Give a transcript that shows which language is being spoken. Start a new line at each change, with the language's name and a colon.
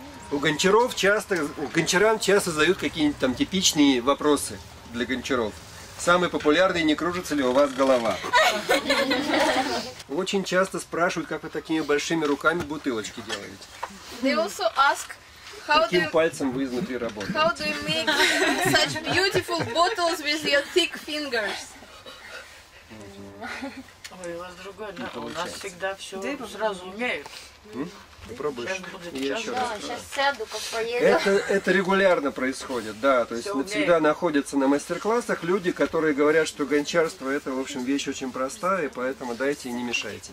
Russian: У гончаров часто, гончарам часто задают какие-нибудь там типичные вопросы для гончаров. Самый популярный, не кружится ли у вас голова? Очень часто спрашивают, как вы такими большими руками бутылочки делаете.
English: They also ask.
Russian: Каким пальцем вы изнутри работаете?
English: How do you make such beautiful bottles with your thick fingers?
Russian: Ой, у вас другое, да? У нас всегда все сразу умеют. Попробуешь. Сейчас буду. Сейчас сяду, как поеду. Это регулярно происходит, да. То есть все всегда находятся на мастер-классах люди, которые говорят, что гончарство это, в общем, вещь очень простая, и поэтому дайте и не мешайте.